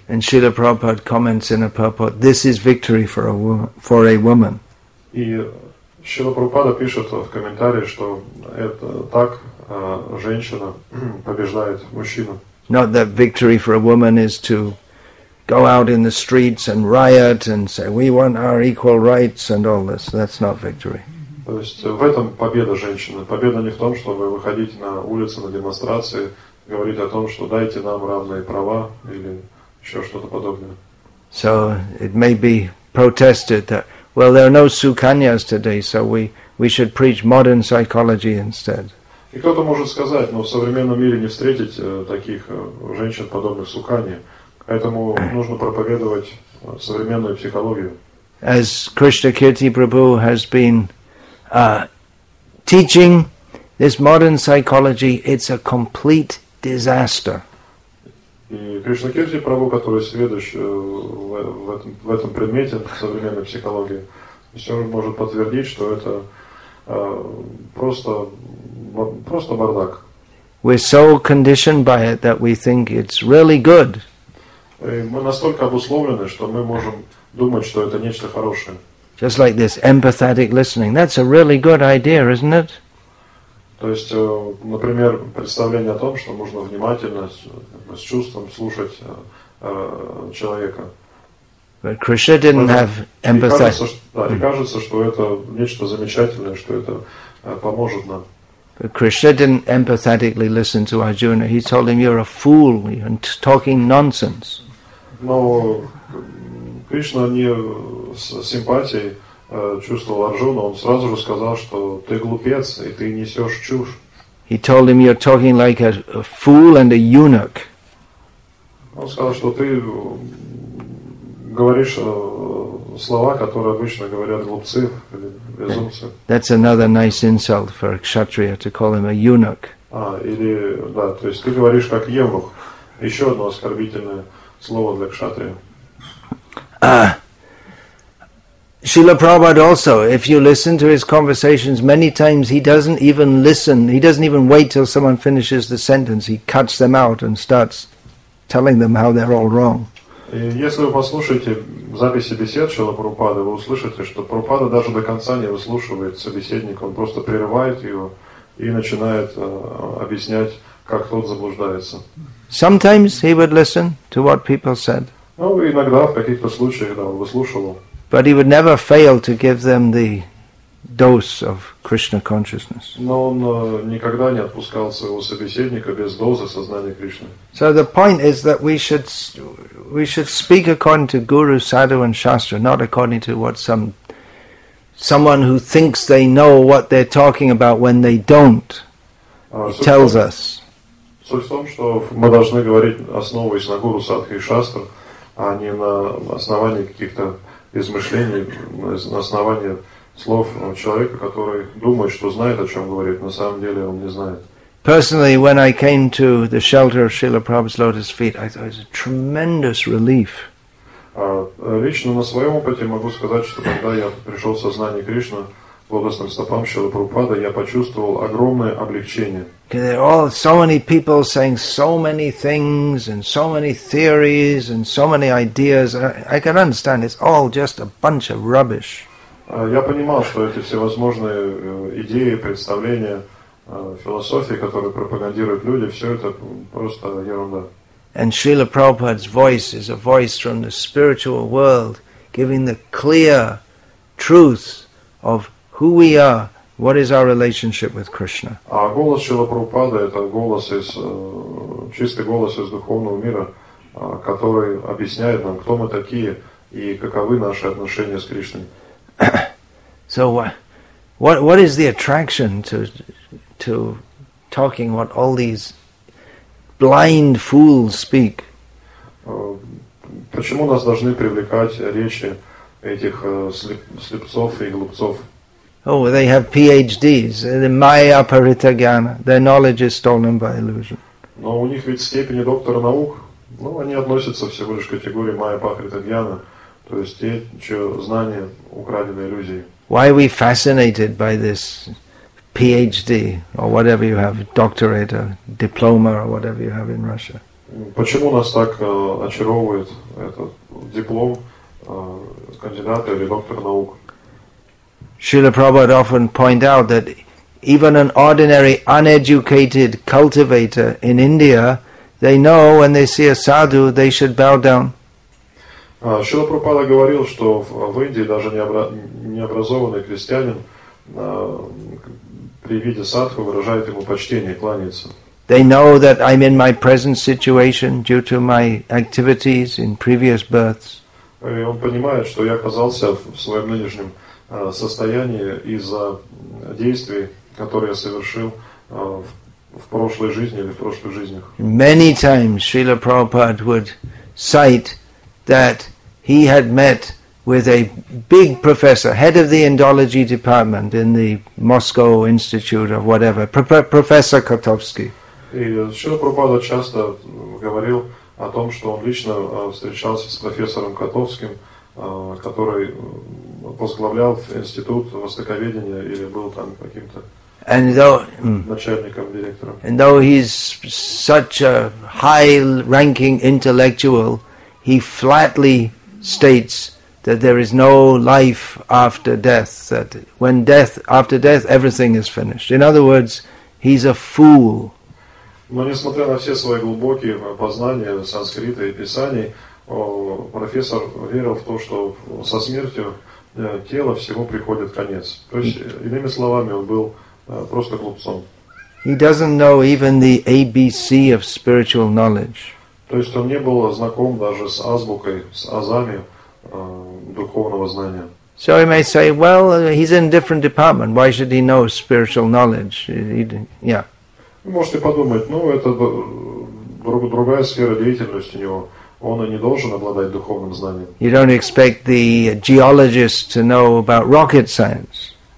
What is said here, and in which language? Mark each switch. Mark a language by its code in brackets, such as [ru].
[en] And Srila Prabhupada comments in a purport, this is victory for a woman. [ru] И Шрила Прабхупада пишет в комментарии, что это так, женщина побеждает мужчину. [en] Not that victory for a woman is to go out in the streets and riot and say, we want our equal rights and all this. That's not victory. [ru] То есть в этом победа женщины. Победа не в том, чтобы выходить на улицы, на демонстрации, говорить о том, что дайте нам равные права или еще что-то подобное. [en] So it may be protested that, well, there are no Sukanyas today, so we should preach modern psychology instead. [ru] И кто-то может сказать, но в современном мире не встретить таких женщин, подобных Сукхани. Поэтому нужно проповедовать современную психологию. [en] As Krishna Kirti Prabhu has been teaching this modern psychology, it's a complete disaster. [ru] И Кришна Кирти Прабху, который сведущ в этом предмете, в современной психологии, все же может подтвердить, что это просто бардак. [en] We're so conditioned by it that we think it's really good. [ru] И мы настолько обусловлены, что мы можем думать, что это нечто хорошее. [en] Just like this empathetic listening. That's a really good idea, isn't it? [ru] То есть, например, представление о том, что можно внимательно, с чувством слушать человека. [en] But Krishna didn't have empathy. [ru] И кажется, что это нечто замечательное, что это поможет нам. [en] But Krishna didn't empathetically listen to Arjuna. He told him, "You're a fool and talking nonsense." [ru] Но Кришна не с симпатией чувствовал Арджуну, он сразу же сказал, что ты глупец и ты несешь чушь. [en] He told him, "You're talking like a fool and a eunuch." [ru] Он сказал, что ты говоришь слова, которые обычно говорят глупцы или безумцы. [en] That's another nice insult for a kshatriya to call him a eunuch. [ru] Или да, то есть ты говоришь как евнух. Еще одно оскорбительное слово для кшатрия. [en] Srila Prabhupada also, if you listen to his conversations, many times he doesn't even listen, he doesn't even wait till someone finishes the sentence, he cuts them out and starts telling them how they're all wrong. [ru] Если вы послушаете записи бесед Шрила Прабхупады, вы услышите, что Прабхупада даже до конца не выслушивает собеседника, он просто прерывает его и начинает объяснять, как тот заблуждается. [en] Sometimes he would listen to what people said. [ru] Ну, иногда, в каких-то случаях, да, выслушивал. [en] But he would never fail to give them the dose of Krishna consciousness. [ru] Но он никогда не отпускал своего собеседника без дозы сознания Кришны. [en] So the point is that we should speak according to Guru, Sadhu and Shastra, not according to what someone who thinks they know what they're talking about when they don't tells us. [ru] Суть в том, что мы должны говорить, основываясь на Гуру, Садху и Шастру, а не на основании каких-то измышлений, на основании слов человека, который думает, что знает, о чем говорит, на самом деле он не знает. [en] Personally, when I came to the shelter of Srila Prabhupada's lotus feet, I thought it was a tremendous relief. [ru] Лично на своем опыте могу сказать, что когда я пришел в сознание Кришны, к лотосным стопам Шрилы Прабхупады, я почувствовал огромное облегчение. [en] There are all so many people saying so many things and so many theories and so many ideas. I can understand it's all just a bunch of rubbish. [ru] Я понимал, что эти всевозможные идеи, представления, философии, которые пропагандируют люди, все это просто ерунда. [en] And Srila Prabhupada's voice is a voice from the spiritual world, giving the clear truth of who we are. What is our relationship with Krishna? [ru] А голос Шрилы Прабхупады — это голос из чистый голос из духовного мира, который объясняет нам, кто мы такие и каковы наши отношения с Кришной. [en] So what is the attraction to talking what all these blind fools speak? [ru] Почему нас должны привлекать речи этих слепцов и глупцов? [en] Oh, they have PhDs. The Maya Parita Gyana. Their knowledge is stolen by illusion. [ru] Но у них ведь степени доктора наук. Ну, они относятся всего лишь к категории Maya Parita Gyana, то есть те, чьи знания украдены иллюзией. [en] Why are we fascinated by this PhD or whatever you have, doctorate or diploma or whatever you have in Russia? [ru] Почему нас так очаровывает этот диплом кандидата или доктора наук? [en] Srila Prabhupada often point out that even an ordinary uneducated cultivator in India, they know when they see a sadhu, they should bow down. [ru] Srila Prabhupada говорил, что в Индии даже необразованный крестьянин при виде садху выражает ему почтение, кланяется. [en] They know that I'm in my present situation due to my activities in previous births. [ru] И он понимает, что я оказался в своем нынешнем состояние из-за действий, которые я совершил в прошлой жизни или в прошлых жизнях. [en] Many times Srila Prabhupada would cite that he had met with a big professor, head of the Indology department in the Moscow Institute of whatever, Professor Kotovsky. [ru] И Srila Prabhupada часто говорил о том, что он лично встречался с профессором Котовским, который возглавлял институт востоковедения или был там каким-то начальником, директором. [en] And though he's such a high-ranking intellectual, he flatly states that there is no life after death, that when death, after death, everything is finished. In other words, he's a fool. [ru] Но несмотря на все свои глубокие познания санскрита и писаний, профессор верил в то, что со смертью тела всего приходит конец. То есть, иными словами, он был просто глупцом. [en] He doesn't know even the ABC of spiritual knowledge. [ru] То есть он не был знаком даже с азбукой, с азами духовного знания. [en] So he may say, well, he's in a different department. Why should he know spiritual knowledge? Yeah. [ru] Вы можете подумать, ну, это другая сфера деятельности у него. Он и не должен обладать духовным знанием. [en] You don't expect the geologist to know about rocket science.